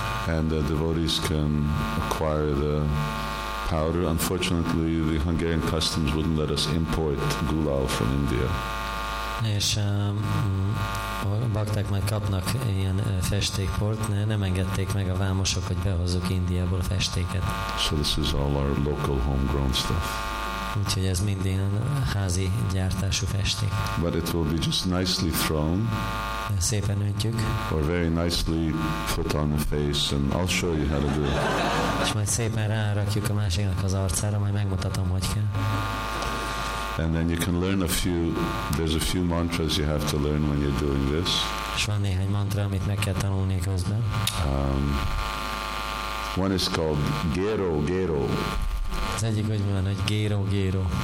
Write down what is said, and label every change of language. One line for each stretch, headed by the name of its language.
English: And the devotees can acquire the powder. Unfortunately, the Hungarian customs wouldn't let us import gulal from India.
Hungarian: És a bakták majd kapnak ilyen festékport, nem engedték meg a vámosok, hogy behozzuk Indiából a festéket.
English: So this is all our local homegrown stuff.
Hungarian: Úgyhogy ez mind ilyen házi gyártású festék.
English: But it will be just nicely thrown.
Hungarian: Szépen öntjük.
English: Or very nicely put on the face, and I'll show you how to do it.
Hungarian: És majd szépen rárakjuk a másiknak az arcára, majd megmutatom, hogy kell.
English: And then you can learn there's a few mantras you have to learn when you're doing this.
Hungarian: És van néhány mantra, amit meg kell tanulni közben.
English: One is called Gero Gero.
Hungarian: Az egyik úgy van, hogy Gero Gero.